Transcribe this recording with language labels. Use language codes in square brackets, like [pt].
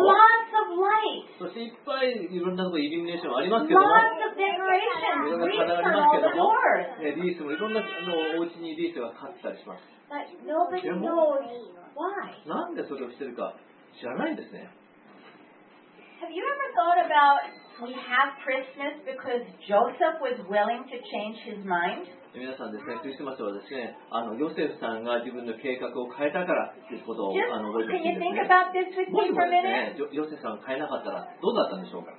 [en] Lots of light. [ja] そしていっぱいいろんなイルミネーションありますけども、 [en] Lots of decorations. [ja] いろんな花がありますけども、ね、リースもいろんなお家にリースが飾ってたりします。 [en] But nobody knows why. [ja] なんでそれをしてるか知らないんですね。 [en] Have you ever thought about we have Christmas because Joseph was willing to change his mind? [ja] 皆さんですね、クリスマスはですね、ヨセフさんが自分の計画を変えたからということを覚えてしいですね。もしもですね、ヨセフさんを変えなかったらどうだったんでしょうか。